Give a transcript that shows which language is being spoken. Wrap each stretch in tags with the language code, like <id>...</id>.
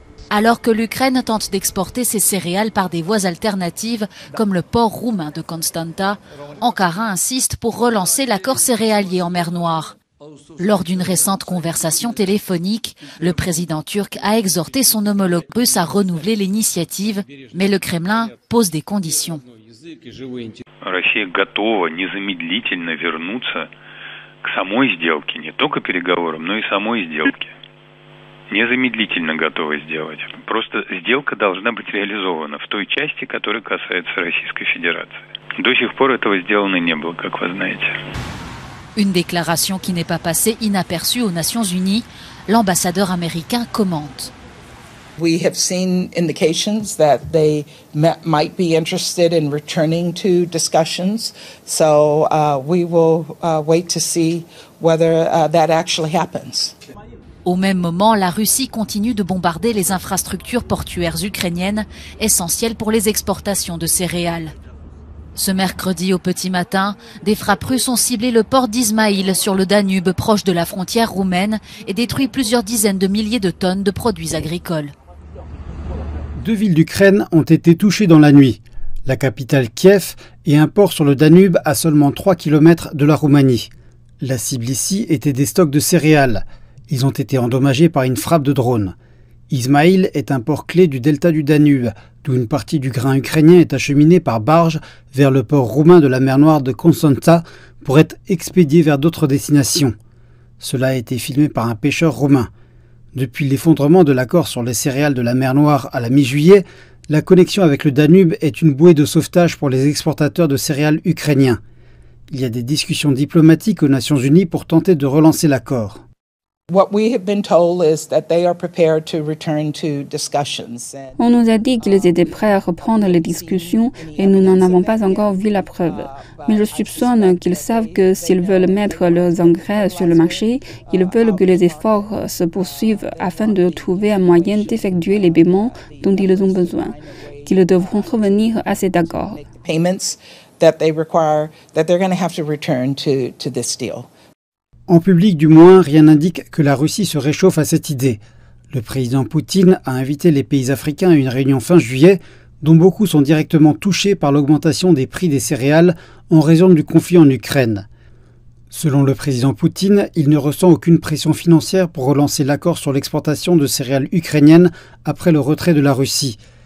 <fr>Alors que l'Ukraine tente d'exporter ses céréales par des voies alternatives, comme le port roumain de Constanta, Ankara insiste pour relancer l'accord céréalier en mer Noire. Lors d'une récente conversation téléphonique, le président turc a exhorté son homologue russe à renouveler l'initiative, mais le Kremlin pose des conditions. Russie est</fr> <ru>готова незамедлительно вернуться к самой сделке, не только переговорам, но и самой сделке. Незамедлительно готова сделать. Просто сделка должна быть реализована в той части, которая касается Российской Федерации. До сих пор этого сделано не было, как вы знаете.</ru> <fr>Une déclaration qui n'est pas passée inaperçue aux Nations Unies, l'ambassadeur américain commente.</fr> <en>We have seen indications that they might be interested in returning to discussions. So we will wait to see whether that actually happens.</en> <fr>Au même moment, la Russie continue de bombarder les infrastructures portuaires ukrainiennes, essentielles pour les exportations de céréales. Ce mercredi au petit matin, des frappes russes ont ciblé le port d'Izmaïl sur le Danube, proche de la frontière roumaine, et détruit plusieurs dizaines de milliers de tonnes de produits agricoles. Deux villes d'Ukraine ont été touchées dans la nuit. La capitale Kiev et un port sur le Danube à seulement 3 km de la Roumanie. La cible ici était des stocks de céréales. Ils ont été endommagés par une frappe de drone. Izmaïl est un port clé du delta du Danube, d'où une partie du grain ukrainien est acheminée par barge vers le port roumain de la mer Noire de Constanta pour être expédié vers d'autres destinations. Cela a été filmé par un pêcheur roumain. Depuis l'effondrement de l'accord sur les céréales de la mer Noire à la mi-juillet, la connexion avec le Danube est une bouée de sauvetage pour les exportateurs de céréales ukrainiens. Il y a des discussions diplomatiques aux Nations Unies pour tenter de relancer l'accord.</fr> <en>What we have been told is that they are prepared to return to discussions.</en> <fr>On nous a dit qu'ils étaient prêts à reprendre les discussions et nous n'en avons pas encore vu la preuve. Mais je soupçonne qu'ils savent que s'ils veulent mettre leurs engrais sur le marché, ils veulent que les efforts se poursuivent afin de trouver un moyen d'effectuer les paiements dont ils ont besoin, qu'ils devront revenir à cet accord.</fr> <en>Payments that they require, that they're going to have to return to this deal.</en> <fr>En public, du moins, rien n'indique que la Russie se réchauffe à cette idée. Le président Poutine a invité les pays africains à une réunion fin juillet, dont beaucoup sont directement touchés par l'augmentation des prix des céréales en raison du conflit en Ukraine. Selon le président Poutine, il ne ressent aucune pression financière pour relancer l'accord sur l'exportation de céréales ukrainiennes après le retrait de la Russie.</fr>